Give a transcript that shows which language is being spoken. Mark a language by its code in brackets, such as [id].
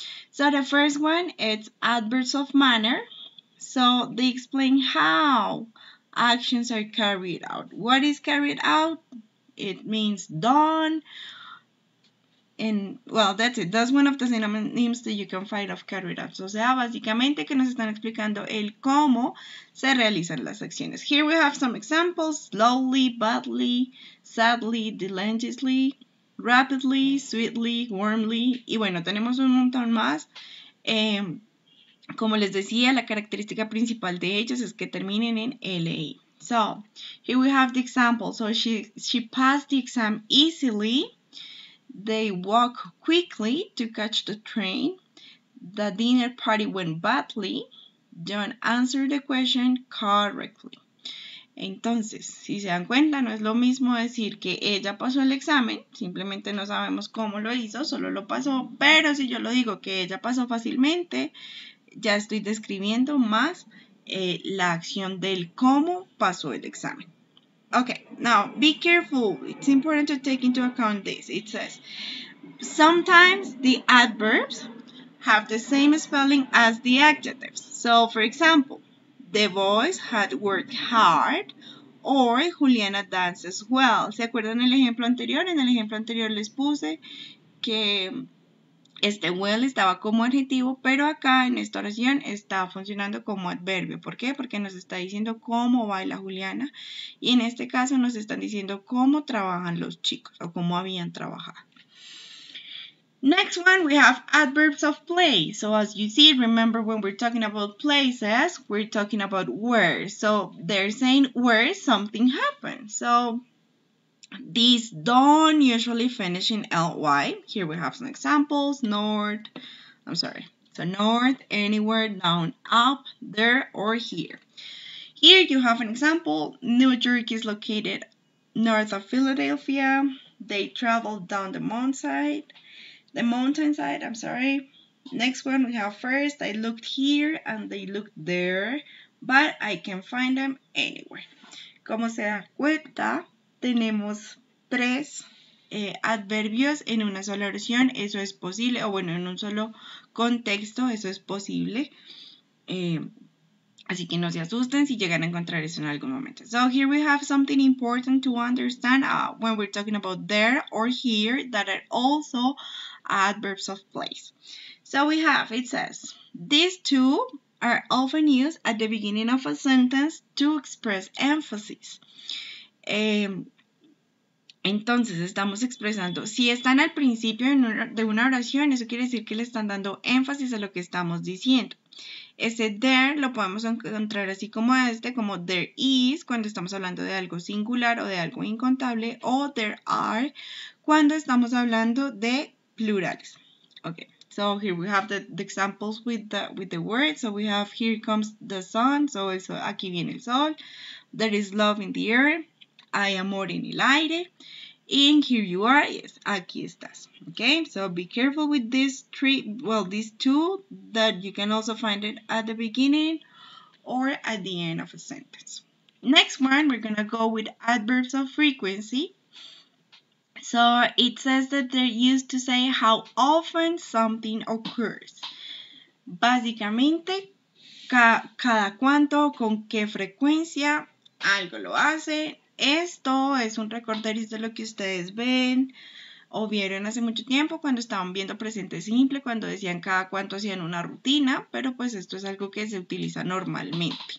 [en] So the first one, it's adverbs of manner. So they explain how actions are carried out. What is carried out? It means done. And, well, that's it. That's one of the synonyms that you can find of carried out. [es] So, básicamente que nos están explicando el cómo se realizan las acciones. [en] Here we have some examples. Slowly, badly, sadly, diligently, rapidly, sweetly, warmly. [es] Y bueno, tenemos un montón más. Como les decía, la característica principal de ellos es que terminen en LA. [en] So, here we have the example. So, she passed the exam easily. They walk quickly to catch the train. The dinner party went badly. Don't answer the question correctly. [es] Entonces, si se dan cuenta, no es lo mismo decir que ella pasó el examen. Simplemente no sabemos cómo lo hizo, solo lo pasó. Pero si yo lo digo que ella pasó fácilmente, ya estoy describiendo más la acción del cómo pasó el examen. [en] Okay, now be careful. It's important to take into account this. It says, sometimes the adverbs have the same spelling as the adjectives. So, for example, the boys had worked hard or Juliana dances well. [es] ¿Se acuerdan el ejemplo anterior? En el ejemplo anterior les puse que este well estaba como adjetivo, pero acá en esta oración está funcionando como adverbio. ¿Por qué? Porque nos está diciendo cómo baila Juliana. Y en este caso nos están diciendo cómo trabajan los chicos o cómo habían trabajado. [en] Next one, we have adverbs of place. So as you see, remember when we're talking about places, we're talking about where. So they're saying where something happened. So these don't usually finish in ly. Here we have some examples. North, I'm sorry. So north, anywhere, down, up, there, or here. Here you have an example. New York is located north of Philadelphia. They travel down the mountainside. I'm sorry. Next one we have first. I looked here and they looked there, but I can find them anywhere. [es] Como se da cuenta, tenemos tres adverbios en una sola oración, eso es posible, o bueno, en un solo contexto, eso es posible. Así que no se asusten si llegan a encontrar eso en algún momento. [en] So here we have something important to understand when we're talking about there or here that are also adverbs of place. So we have, it says, these two are often used at the beginning of a sentence to express emphasis. [es] Entonces estamos expresando, si están al principio de una oración, eso quiere decir que le están dando énfasis a lo que estamos diciendo. Ese there lo podemos encontrar así como este, como there is, cuando estamos hablando de algo singular o de algo incontable, o there are, cuando estamos hablando de plurales. [en] Okay, so here we have the examples with the words. So we have here comes the sun, so eso, aquí viene el sol. There is love in the air. I am more in el aire. And here you are. [es] Yes, aquí estás. [en] Okay, so be careful with these three, well, these two, that you can also find it at the beginning or at the end of a sentence. Next one, we're going to go with adverbs of frequency. So it says that they're used to say how often something occurs. [es] Básicamente, cada cuánto, con qué frecuencia algo lo hace. Esto es un recorderis de lo que ustedes ven o vieron hace mucho tiempo cuando estaban viendo presente simple, cuando decían cada cuánto hacían una rutina, pero pues esto es algo que se utiliza normalmente.